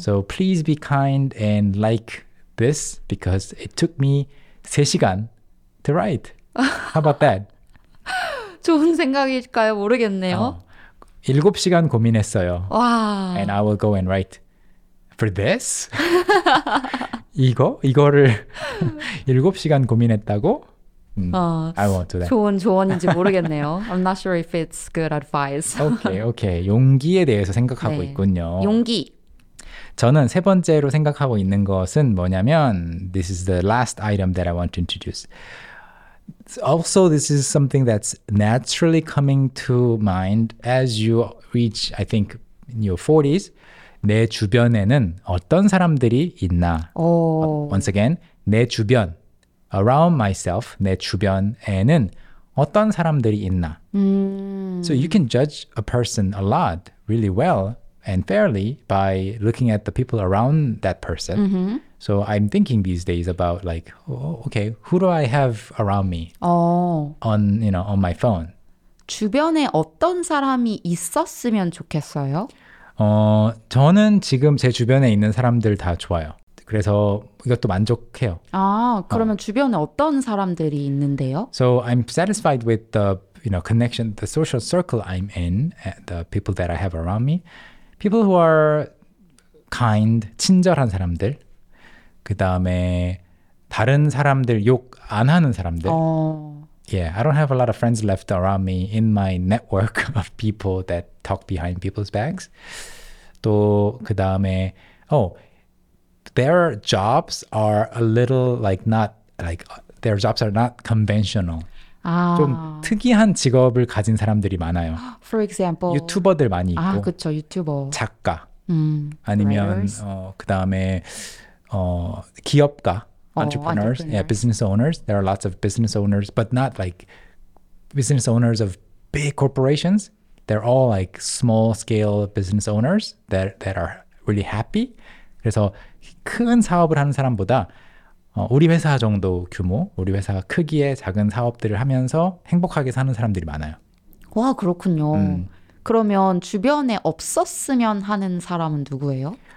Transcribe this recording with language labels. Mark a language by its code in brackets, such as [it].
[en] So please be kind and like this because it took me 3시간 to write. How about that? [ko] 좋은 생각일까요? 모르겠네요. 7시간 고민했어요. 와. [en] And I will go and write for this? [ko] 이거? 이거를 7시간 고민했다고? [en] I won't do that. [ko] 좋은 조언인지 모르겠네요. [en] I'm not sure if it's good advice. Okay, okay. [ko] 용기에 대해서 생각하고 네. 있군요. 용기. 저는 세 번째로 생각하고 있는 것은 뭐냐면 [en] This is the last item that I want to introduce. Also, this is something that's naturally coming to mind as you reach, I think, in your 40s. [ko] 내 주변에는 어떤 사람들이 있나? [en] Oh. Once again, [ko] 내 주변, [en] around myself, [ko] 내 주변에는 어떤 사람들이 있나? [en] So you can judge a person a lot, really well and fairly by looking at the people around that person. Mm-hmm. So I'm thinking these days about like, oh, okay, who do I have around me on, you know, on my phone? [ko] 주변에 어떤 사람이 있었으면 좋겠어요? 저는 지금 제 주변에 있는 사람들 다 좋아요. 그래서 이것도 만족해요. 아, 그러면 주변에 어떤 사람들이 있는데요? [en] So I'm satisfied with the, you know, connection, the social circle I'm in, the people that I have around me. People who are kind, [ko] 친절한 사람들. 그 다음에 다른 사람들 욕 안 하는 사람들. [en] Yeah, I don't have a lot of friends left around me in my network of people that talk behind people's backs. [ko] 또 그 다음에 [en] their jobs are a little like not like their jobs are not conventional. [ko] 아. 좀 특이한 직업을 가진 사람들이 많아요. For example, 유튜버들 많이 있고. 아, 그쵸, 유튜버. 작가. 아니면 그 다음에 기업가, [en] entrepreneurs, yeah, business owners. There are lots of business owners, but not like business owners of big corporations. They're all like small-scale business owners that are really happy. [ko] 그래서 큰 사업을 하는 사람보다 우리 회사 정도 규모, 우리 회사 크기의 작은 사업들을 하면서 행복하게 사는 사람들이 많아요. 와, 그렇군요. 그러면 주변에 없었으면 하는 사람은 누구예요?